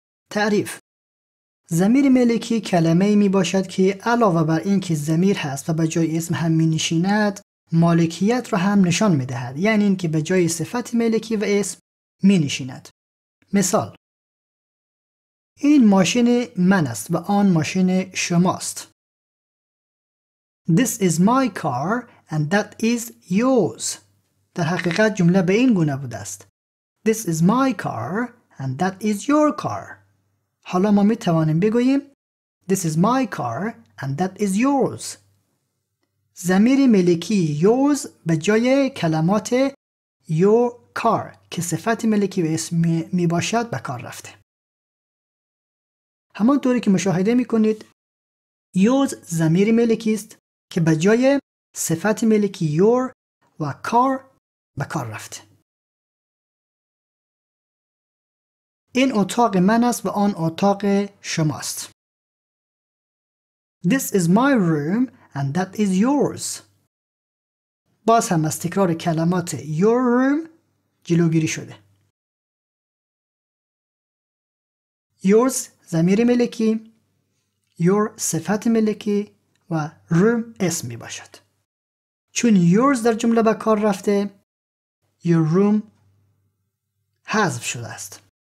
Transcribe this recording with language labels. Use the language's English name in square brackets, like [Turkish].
[Persian] تعریف: ضمیر ملکی کلمه می باشد که علاوه بر این که ضمیر هست و به جای اسم هم می نشیند، مالکیت را هم نشان می دهد، یعنی این که به جای صفت ملکی و اسم می نشیند. مثال: این ماشین من است و آن ماشین شماست. [English] This is my car and that is yours. [Persian] در حقیقت جمله به این گونه بوده است. [English] This is my car and that is your car. [Persian] حالا ما می توانیم بگوییم [English] This is my car and that is yours. [Persian] ضمیر ملکی yours به جای کلمات your car که صفت ملکی و اسم می باشد به کار رفته. همانطوری که مشاهده میکنید، یوز ضمیر ملکی است که به جای صفت ملکی یور و کار به کار رفت. این اتاق من است و آن اتاق شماست. [English] This is my room and that is yours. [Persian] باز هم از تکرار کلمات your room جلوگیری شده. Yours ضمیر ملکی، your صفت ملکی و room اسم می باشد. چون yours در جمله به کار رفته، your room حذف شده است.